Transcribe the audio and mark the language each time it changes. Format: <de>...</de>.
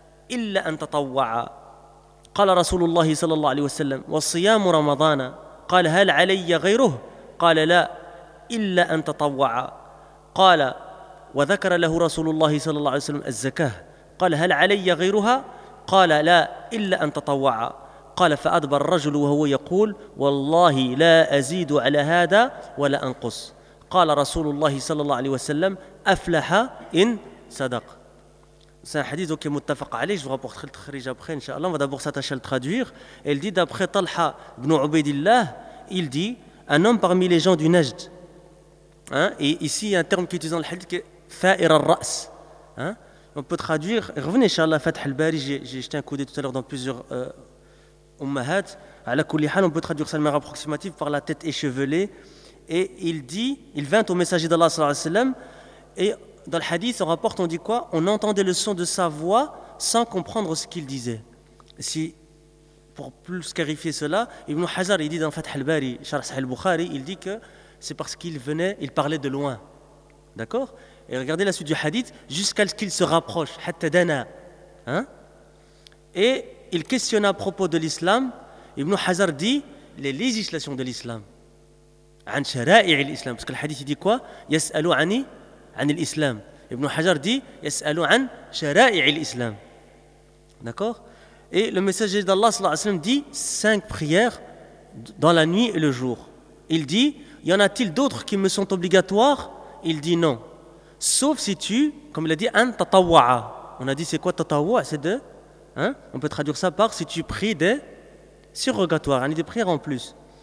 <ar>إلا أن تطوع قال رسول الله صلى الله عليه وسلم والصيام رمضان قال هل علي غيره؟ قال لا إلا أن تطوع قال وذكر له رسول الله صلى الله عليه وسلم الزكاة قال هل علي غيرها؟ قال لا إلا أن تطوع قال فأدبر الرجل وهو يقول والله لا أزيد على هذا ولا أنقص قال رسول الله صلى الله عليه وسلم أفلح إن صدق.</ar> <fr>C'est un hadith qui est muttafaq alayh. Je vous rapporte le tahrij après, inshallah. On va d'abord s'attacher à le traduire. Il dit, d'après Talha ibn Ubaidillah, il dit, un homme parmi les gens du Najd. Hein? Et ici, il y a un terme qui est utilisé dans le hadith qui est fa'ir al-ra's. Hein? On peut traduire, revenez, inshallah, Fath al-Bari. J'ai jeté un coup d'œil tout à l'heure dans plusieurs ummahat. À la koulihal, on peut traduire ça de manière approximative par la tête échevelée. Et il dit, il vint au messager d'Allah, sallallahu alayhi wa sallam, et dans le hadith, on rapporte, on dit quoi ? On entendait le son de sa voix sans comprendre ce qu'il disait. Si, pour plus clarifier cela, Ibn Hazar, il dit dans Fath al-Bari, Sharh Sahih al-Bukhari, il dit que c'est parce qu'il venait, il parlait de loin. D'accord ? Et regardez la suite du hadith, jusqu'à ce qu'il se rapproche, hatta dana. Hein ? Et il questionna à propos de l'islam, Ibn Hazar dit, les législations de l'islam. An shara'i' al-islam. Parce que le hadith, il dit quoi ?</fr> <ar>Yas'alu ani عن الإسلام. ابن حجر دي يسأل عن شرائع الإسلام.</ar> <fr>D'accord. Et le messager d'Allah</fr> <ar>صلى الله عليه وسلم</ar> <fr>dit 5 prières dans la nuit et le jour. Il dit, y en a-t-il d'autres qui me sont obligatoires? Il dit non. Sauf si tu, comme il a dit, un tatawwa'a. On a dit c'est quoi tatawwa'a? C'est de, hein? On peut traduire ça par si tu pries des surrogatoires, des prières en plus.</fr>